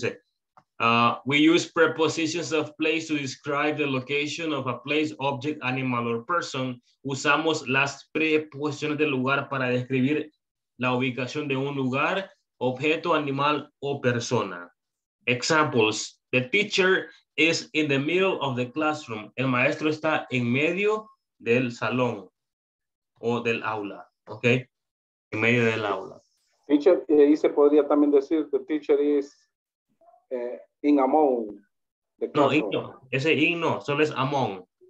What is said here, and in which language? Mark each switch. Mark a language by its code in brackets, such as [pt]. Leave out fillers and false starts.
[en] Dice, we use prepositions of place to describe the location of a place, object, animal, or person. [es] Usamos las preposiciones del lugar para describir la ubicación de un lugar, objeto, animal, o persona. [en] Examples. The teacher is in the middle of the classroom. [es] El maestro está en medio del salón o del aula. ¿Ok? En medio del aula. [en] Teacher, [es] y se podría también decir [en] the teacher is in among the classroom. [es] No, ese in no, solo es among.